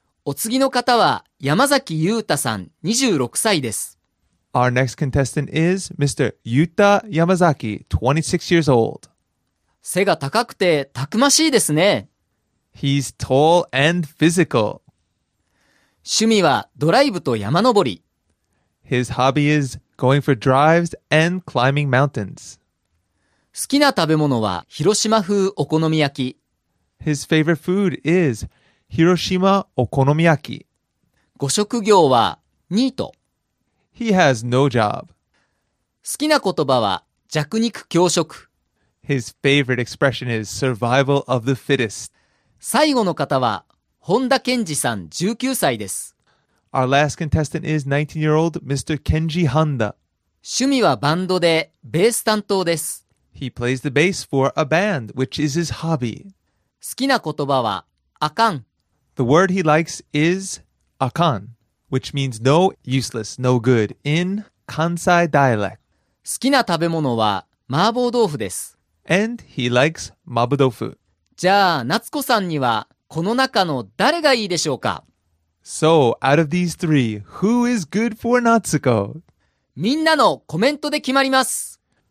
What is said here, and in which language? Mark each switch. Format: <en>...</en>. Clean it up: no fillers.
<ja>お次の方は山崎優太さん、26歳です。</ja> <en>Our next contestant is Mr. Yuta Yamazaki, 26 years old.</en> <ja>背が高くてたくましいですね。</ja> <en>He's tall and physical.</en> <ja>趣味はドライブと山登り。</ja> <en>His hobby is going for drives and climbing mountains.</en> <ja>好きな食べ物は広島風お好み焼き。</ja> <en>His favorite food is 広島お好み焼き。</en> <ja>ご職業はニート。</ja> <en>He has no job.</en> <ja>好きな言葉は弱肉強食。</ja> <en>His favorite expression is survival of the fittest.</en> <ja>最後の方は本田健二さん19歳です。</ja> <en>Our last contestant is 19-year-old Mr. Kenji Honda.</en> <ja>趣味はバンドでベース担当です。</ja> <en>He plays the bass for a band, which is his hobby.</en> <ja>好きな言葉はあかん。</ja> <en>The word he likes is あかん。 Which means no useless, no good in Kansai dialect.</en> <ja>好きな食べ物は麻婆豆腐です。</ja> <en>And he likes 麻婆豆腐。</en> <ja>じゃあ、夏子さんにはこの中の誰がいいでしょうか?</ja> <en>So, out of these three, who is good for Natsuko?</en> <ja>みんなのコメントで決まります。</ja>